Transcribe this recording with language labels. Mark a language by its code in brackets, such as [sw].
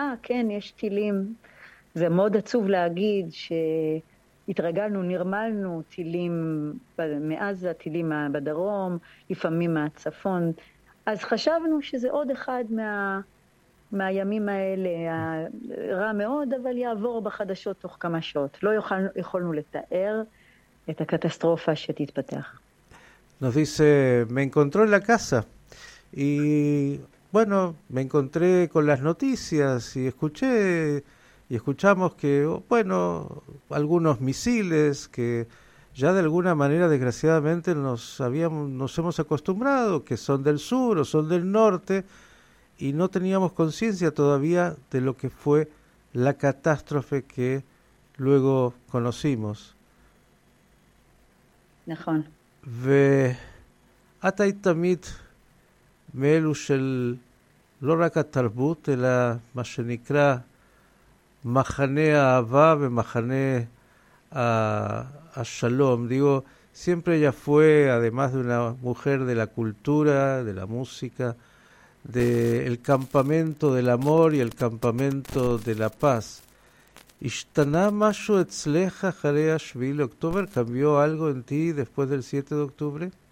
[he] כן, יש טילים. זה מאוד עצוב להגיד שהתרגלנו, נרמלנו טילים מעזה, טילים בדרום, לפעמים מהצפון. אז חשבנו שזה עוד אחד מהימים האלה. רע מאוד, אבל יעבור בחדשות תוך כמה שעות. לא יכולנו לתאר את הקטסטרופה שתתפתח. [es] Nos dice, me encontró en la casa y bueno, me encontré con las noticias y escuché y escuchamos que, bueno, algunos misiles que ya de alguna manera desgraciadamente nos hemos acostumbrado, que son del sur o son del norte y no teníamos conciencia todavía de lo que fue la catástrofe que luego conocimos. Nejón. [he] ואתה היית תמיד מאלו של לא רק התרבות אלא מה שנקרא מחנה האהבה ומחנה השלום. [es] Digo, siempre ella fue, además de una mujer de la cultura, de la música, del campamento del amor y el campamento de la paz. [he] ¿Ishtaná mashu etzleja jare ashvil oktober? [es] ¿Cambió algo en ti después del 7 de octubre?